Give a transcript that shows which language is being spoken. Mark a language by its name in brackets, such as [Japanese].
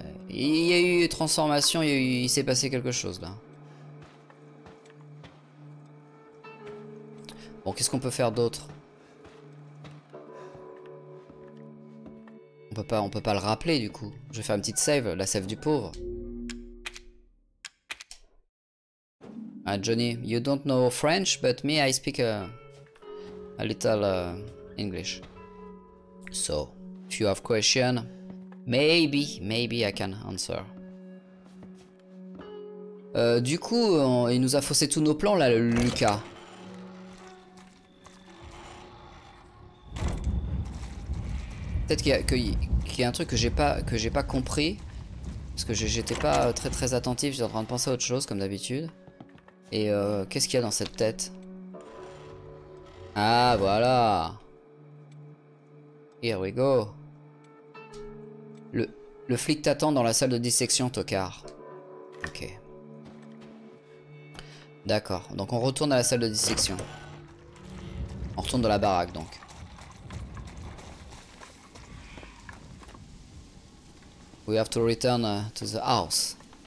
[French] Il y a eu une transformation, il s'est passé quelque chose là. Bon, qu'est-ce qu'on peut faire d'autre? On peut pas le rappeler du coup. Je vais faire une petite save, la save du pauvre. [English] Ah Johnny, you don't know French, but me I speak a little English. So, if you have question. Maybe I can answer. [French] Du coup, il nous a faussé tous nos plans là, Lucas. Peut-être qu'il y a un truc que j'ai pas compris. Parce que j'étais pas très très attentif, j'étais en train de penser à autre chose comme d'habitude. Et qu'est-ce qu'il y a dans cette tête? Ah voilà! [English] Here we go! [French] Le flic t'attend dans la salle de dissection, Tokard. Ok. D'accord, donc on retourne à la salle de dissection. On retourne dans la baraque donc. [English] We have to return to the house.